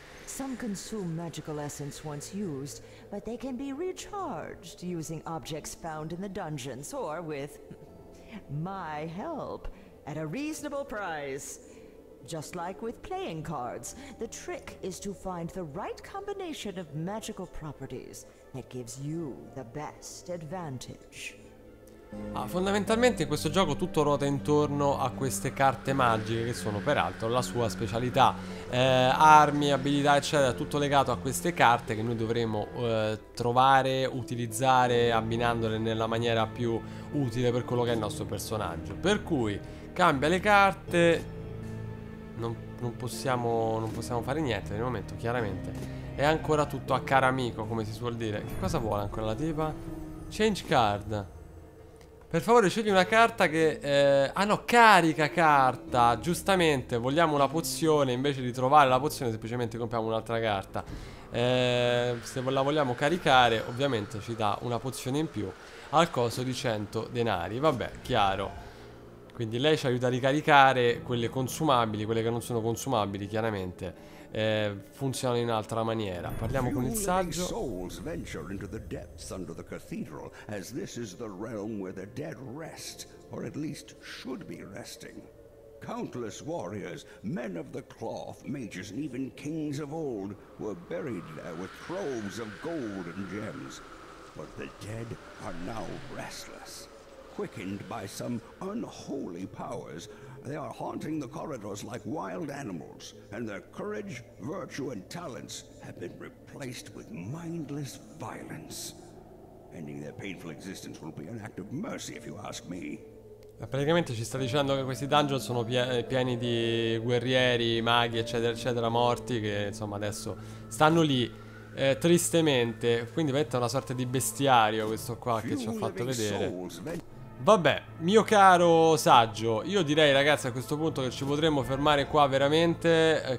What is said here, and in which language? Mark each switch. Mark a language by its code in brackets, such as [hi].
[en] Some consume magical essence once used, but they can be recharged using objects found in the dungeons or with my help at a reasonable price. Just like with playing cards, the trick is to find the right combination of magical properties that gives you the best advantage. [it] Ah, fondamentalmente in questo gioco tutto ruota intorno a queste carte magiche, che sono peraltro la sua specialità. Armi, abilità, eccetera, tutto legato a queste carte che noi dovremo trovare, utilizzare, abbinandole nella maniera più utile per quello che è il nostro personaggio. Per cui cambia le carte. Non possiamo fare niente nel momento, chiaramente. È ancora tutto a caro amico, come si suol dire. Che cosa vuole ancora la tipa? [en] Change card. [it] Per favore scegli una carta che... ah no, carica carta. Giustamente, vogliamo una pozione. Invece di trovare la pozione semplicemente compriamo un'altra carta. Se la vogliamo caricare, ovviamente ci dà una pozione in più al costo di 100 denari. Vabbè, chiaro. Quindi lei ci aiuta a ricaricare quelle consumabili, quelle che non sono consumabili, chiaramente. Funziona in un'altra maniera. Parliamo con il saggio. [en] Souls venture into the depths under the cathedral, as this is the realm where the dead rest, or at least should be resting. Countless warriors, men of the cloth, mages, and even kings of old were buried there with troves of gold and gems. But the dead are now restless. Quickened by some unholy powers, they are haunting the corridors like wild animals, and their courage, virtue, and talents have been replaced with mindless violence. Ending their painful existence will be an act of mercy, if you ask me. [it] Praticamente ci sta dicendo che questi dungeon sono pieni di guerrieri, maghi, eccetera, eccetera, morti, che insomma adesso stanno lì. Tristemente, quindi è una sorta di bestiario questo qua che ci ha fatto vedere. Vabbè, mio caro saggio, io direi, ragazzi, a questo punto che ci potremmo fermare qua veramente.